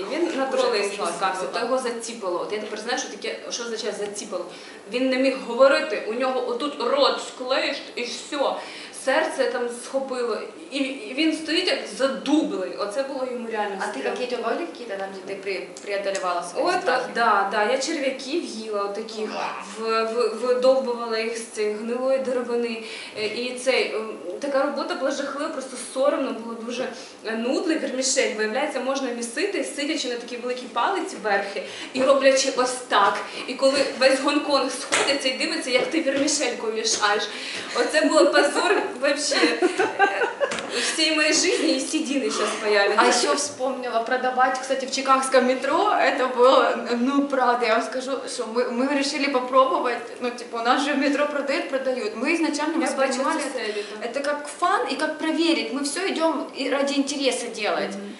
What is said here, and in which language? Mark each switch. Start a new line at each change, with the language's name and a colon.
Russian: И он на троллей скакался, то его зацепило. Вот я теперь знаю, что значит зацепило. Он не мог говорить, у него вот тут рот склеишь и все.
Ukrainian: Серце там схопило,
Russian: и он стоит как задублый, это было ему реально страшно. А ты какие-то валики там, где ты преодолевала свои страхи?
Ukrainian: Так, да, да, я червяків їла таких, видовбувала їх з цієї гнилої деревини, і цей, така робота була жахлива, просто соромно, було дуже нудно, вермішель, виявляється, можна місити, сидячи на такій великій палиці верхи, і роблячи ось так, і коли весь Гонконг сходиться і дивиться, як ти вермішельку мішаєш, оце було позор. Вообще,
Russian: всей моей жизни из Тедины сейчас появится. А еще вспомнила, продавать, кстати, в чикагском метро, это было, ну, правда, я вам скажу, что мы решили попробовать, ну, типа, у нас же в метро продают. Мы изначально воспринимали, это как фан и как проверить, мы все идем ради интереса делать.